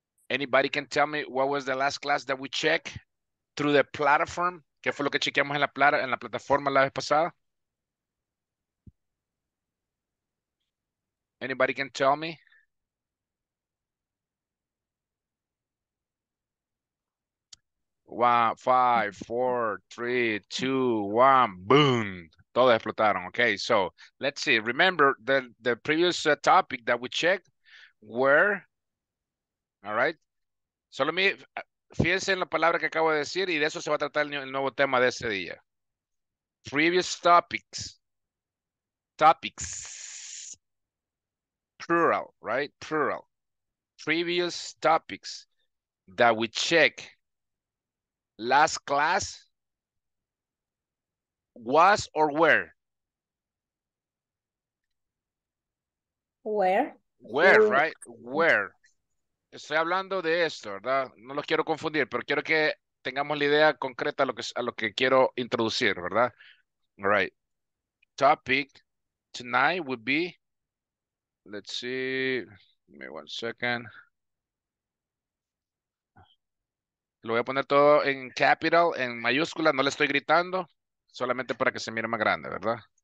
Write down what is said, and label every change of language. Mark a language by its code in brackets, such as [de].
[en] Anybody can tell me what was the last class that we checked through the platform? [es] ¿Qué fue lo que chequeamos en la plataforma la vez pasada? [en] Anybody can tell me? One, five, four, three, two, one, boom. [es] Todos explotaron, [en] okay? So, let's see. Remember, the previous topic that we checked were, all right? [es] Solo me, fíjense en la palabra que acabo de decir y de eso se va a tratar el nuevo tema de ese día. [en] Previous topics. Topics. Plural, right? Plural. Previous topics that we checked last class was or where? Where, right? Where. [es] Estoy hablando de esto, ¿verdad? No los quiero confundir, pero quiero que tengamos la idea concreta a lo que quiero introducir, ¿verdad? [en] All right. Topic tonight would be, let's see, give me one second. [es] Lo voy a poner todo en capital, en mayúscula. No le estoy gritando. Solamente para que se mire más grande, ¿verdad?